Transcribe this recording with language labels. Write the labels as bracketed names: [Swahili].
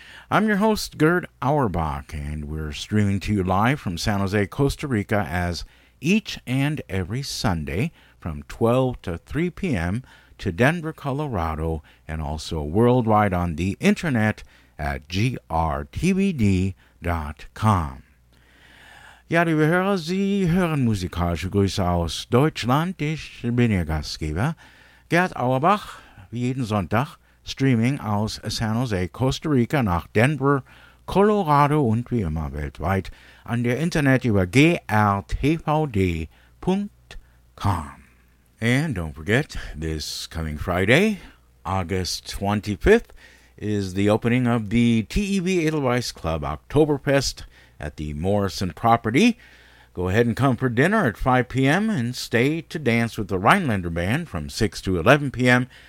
[English] I'm your host, Gerd Auerbach, and we're streaming to you live from San Jose, Costa Rica, as each and every Sunday from 12 to 3 p.m. to Denver, Colorado, and also worldwide on the internet at grtvd.com. [German] Ja, liebe Hörer, Sie hören musikalische Grüße aus Deutschland. Ich bin Ihr Gastgeber, Gerd Auerbach, wie jeden Sonntag, streaming aus San Jose, Costa Rica, nach Denver, Colorado und wie immer weltweit an der Internet über grtvd.com. [English] And don't forget, this coming Friday, August 25th, is the opening of the TEV Edelweiss Club Oktoberfest at the Morrison property. Go ahead and come for dinner at 5 p.m. and stay to dance with the Rhinelander Band from 6 to 11 p.m.